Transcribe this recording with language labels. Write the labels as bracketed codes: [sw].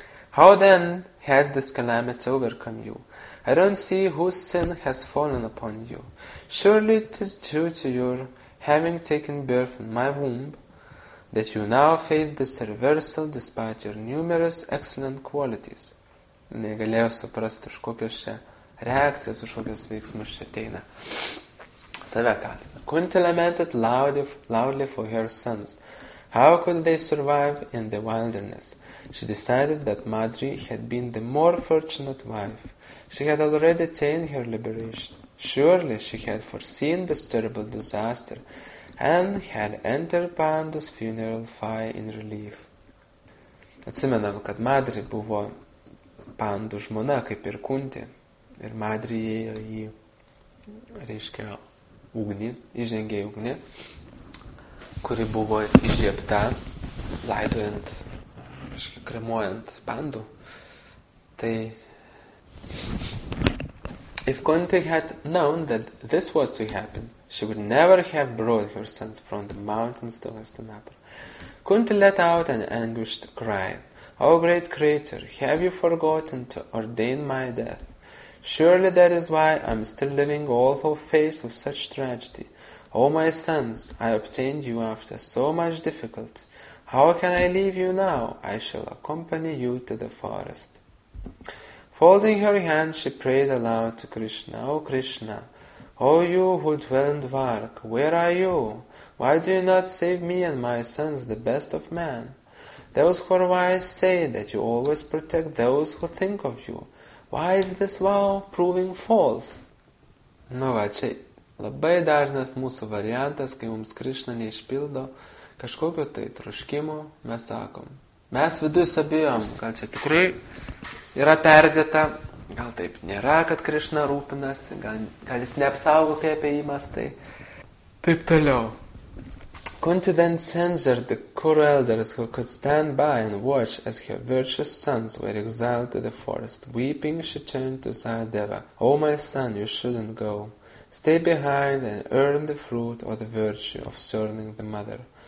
[en] How then has this calamity overcome you? I don't see whose sin has fallen upon you. Surely it is due to your having taken birth in my womb that you now face this reversal despite your numerous excellent qualities." [lt] Negalėjau suprasti, už kokios čia reakcijas, už kokios veiksmus čia ateina. [en] Save kaltina. Kunti lamented loudly for her sons. How could they survive in the wilderness? She decided that Madri had been the more fortunate wife. She had already attained her liberation. Surely she had foreseen this terrible disaster and had entered Pandu's funeral fire in relief. [lt] Atsimenam, kad Madri buvo Pandu žmona, kaip ir Kunti. Ir Madri įėjo į, reiškia, ugnį, įžengė į ugnį, kuri buvo įžiebta, laidojant, reiškia, kremuojant Pandu. Tai... [en] If Kunti had known that this was to happen, she would never have brought her sons from the mountains to Hastinapura. Kunti let out an anguished cry. O great creator, have you forgotten to ordain my death? Surely that is why I am still living, although faced with such tragedy. O my sons, I obtained you after so much difficulty. How can I leave you now? I shall accompany you to the forest. Folding her hands, she prayed aloud to Krishna. O Krishna, O you who dwell in Dvarka, where are you? Why do you not save me and my sons, the best of men? Those who are wise say that you always protect those who think of you. Why is this vow proving false? [lt] Nu va, čia labai dažnas mūsų variantas, kai mums Krishna neišpildo kažkokio tai troškimo, mes sakom. Mes viduj sabijom, gal čia tikrai yra perdėta, gal taip nėra, kad Krishna rūpinasi, gal jis neapsaugo kaip apie jį mastai. Taip toliau. [en] Kunti then censured the Kuru elders who could stand by and watch as her virtuous sons were exiled to the forest. Weeping, she turned to Sahadeva. O my son, you shouldn't go. Stay behind and earn the fruit or the virtue of serving the mother.